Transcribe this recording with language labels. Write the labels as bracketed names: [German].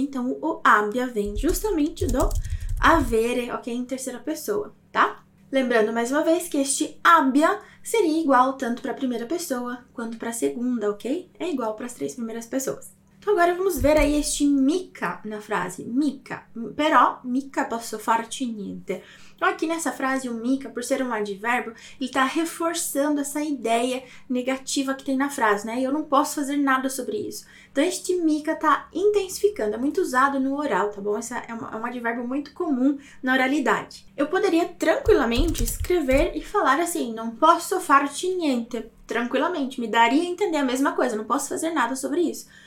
[Portuguese] Então, o abbia vem justamente do avere, ok? Em terceira pessoa, tá? Lembrando mais uma vez que este abbia seria igual tanto para a primeira pessoa quanto para a segunda, ok? É igual para as três primeiras pessoas. Então, agora vamos ver aí este mica na frase. [Italian] Mica, però, mica posso farci niente. [Portuguese] Então, aqui nessa frase, o mica, por ser um advérbio, ele está reforçando essa ideia negativa que tem na frase, né? Eu não posso fazer nada sobre isso. Então, este mica está intensificando, é muito usado no oral, tá bom? Esse é um advérbio muito comum na oralidade. Eu poderia tranquilamente escrever e falar assim, não posso [Italian] farci niente, [Portuguese] tranquilamente, me daria a entender a mesma coisa, não posso fazer nada sobre isso.